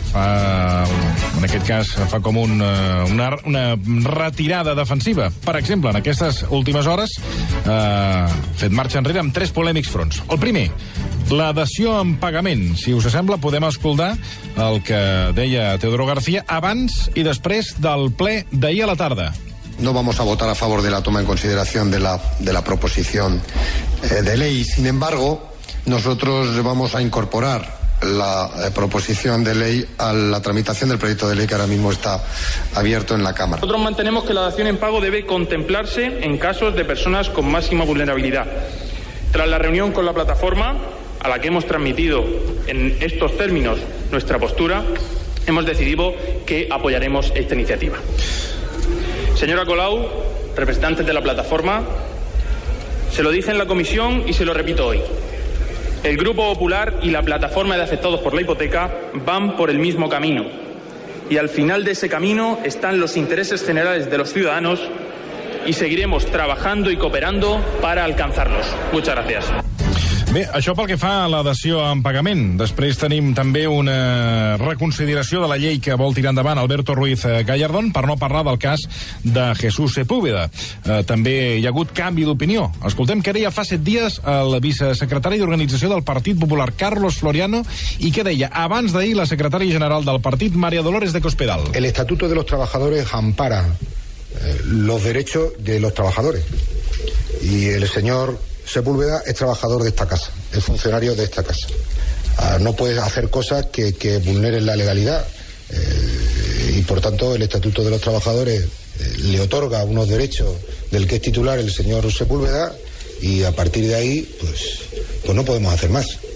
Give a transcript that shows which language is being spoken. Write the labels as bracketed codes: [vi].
[ca] Fa, en aquest cas, fa com una retirada defensiva. Per exemple, en aquestes últimes hores, ha fet marxa enrere amb tres polèmics fronts. El primer, la dació en pagament. Si us sembla, podem escoltar el que deia Teodoro García abans i després del ple d'ahir a la tarda. [es] No vamos a votar a favor de la toma en consideración de la proposición de ley. Sin embargo, nosotros vamos a incorporar la proposición de ley a la tramitación del proyecto de ley que ahora mismo está abierto en la Cámara. Nosotros mantenemos que la dación en pago debe contemplarse en casos de personas con máxima vulnerabilidad. Tras la reunión con la plataforma, a la que hemos transmitido en estos términos nuestra postura, hemos decidido que apoyaremos esta iniciativa. Señora Colau, representantes de la plataforma, se lo dije en la comisión y se lo repito hoy. El Grupo Popular y la plataforma de afectados por la hipoteca van por el mismo camino. Y al final de ese camino están los intereses generales de los ciudadanos y seguiremos trabajando y cooperando para alcanzarlos. Muchas gracias. [ca] Bé, això pel que fa a la dació en pagament. Després tenim també una reconsideració de la llei que vol tirar endavant Alberto Ruiz Gallardón, per no parlar del cas de Jesús Sepúlveda. També hi ha hagut canvi d'opinió. Escoltem què deia fa 7 dies el vicesecretari d'Organització del Partit Popular, Carlos Floriano, i què deia abans d'ahir la secretària general del partit, María Dolores de Cospedal. [es] El Estatuto de los Trabajadores ampara los derechos de los trabajadores. Y el señor Sepúlveda es trabajador de esta casa, es funcionario de esta casa. No puede hacer cosas que vulneren la legalidad y por tanto el Estatuto de los Trabajadores le otorga unos derechos del que es titular el señor Sepúlveda y a partir de ahí pues no podemos hacer más.